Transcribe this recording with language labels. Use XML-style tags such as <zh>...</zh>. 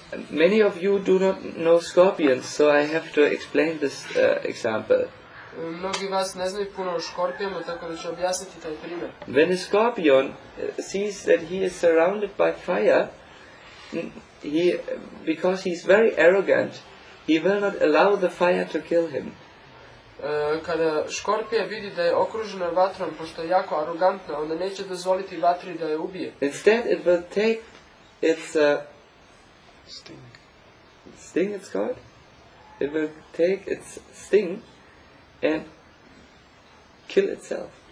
<en>Many of you do not know scorpions, so I have to explain this example.</en> <sr>Mnogi vas ne znaju puno o škorpijama, tako da ću objasniti taj primjer.</sr> <en>When a scorpion sees that he is surrounded by fire, he, because he is very arrogant, he will not allow the fire to kill him.</en> <sr>Kada škorpija vidi da je okružena vatrom, pošto je jako arogantna, onda neće dozvoliti vatri da je ubije.</sr> <en>Instead, it will take its sting, it's called. It will take its sting and kill itself.</en>